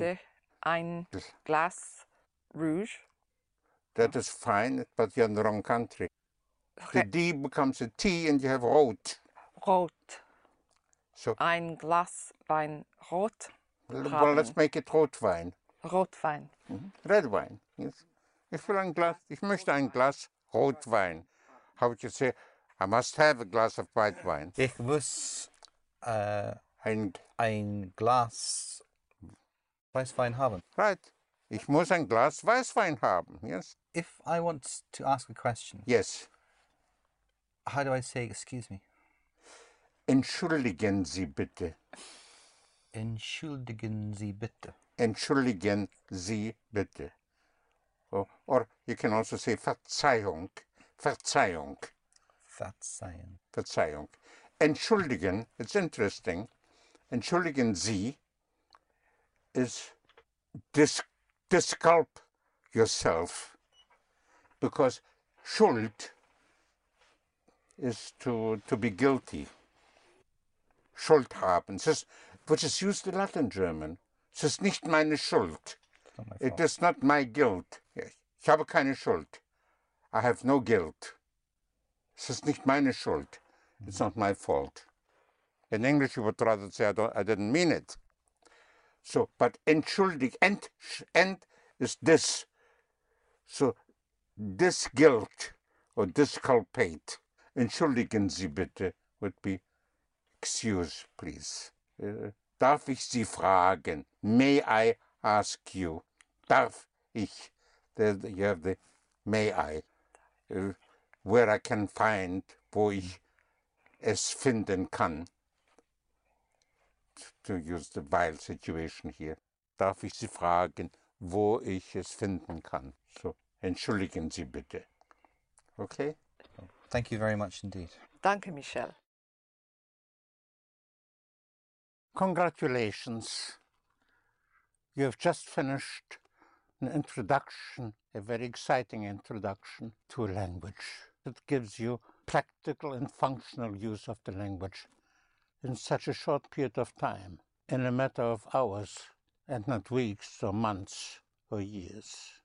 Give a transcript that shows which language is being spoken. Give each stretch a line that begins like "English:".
German: Ich möchte ein Glas Rouge.
English: That is fine, but you're in the wrong country. The D becomes a T and you have Rot.
German: Rot. So ein Glas Wein Rot.
English: Well, let's make it Rotwein.
German: Rotwein.
English: Mm-hmm. Red wine. Yes.
German: Ich möchte ein Glas Rotwein.
English: How would you say, I must have a glass of white wine?
German: Ich muss ein Glas Weißwein haben.
English: Right.
German: Ich muss ein Glas Weißwein haben.
English: Yes. If I want to ask a question, yes. How do I say excuse me?
German: Entschuldigen Sie bitte. Entschuldigen Sie bitte. Entschuldigen Sie bitte. Or you can also say Verzeihung. Verzeihung. Verzeihung.
English: Verzeihung. Entschuldigen, it's interesting. Entschuldigen Sie is disculp yourself, because Schuld is to be guilty.
German: Schuld haben,
English: which is used a lot in German.
German: Es ist nicht meine Schuld.
English: It is not my guilt.
German: Ich habe keine Schuld.
English: I have no guilt.
German: Es ist nicht meine Schuld.
English: It's not my fault. In English, you would rather say, I didn't mean it. So, but entschuldig, ent is this. So, this guilt or disculpate.
German: Entschuldigen Sie bitte
English: would be excuse, please.
German: Darf ich Sie fragen?
English: May I ask you?
German: Darf ich?
English: You have the may I. Where I can find,
German: wo ich es finden kann.
English: To use the vile situation here.
German: Darf ich Sie fragen, wo ich es finden kann? So, entschuldigen Sie bitte.
English: Okay? Thank you very much indeed.
German: Danke, Michel.
English: Congratulations. You have just finished an introduction, a very exciting introduction to a language that gives you practical and functional use of the language in such a short period of time, in a matter of hours, and not weeks or months or years.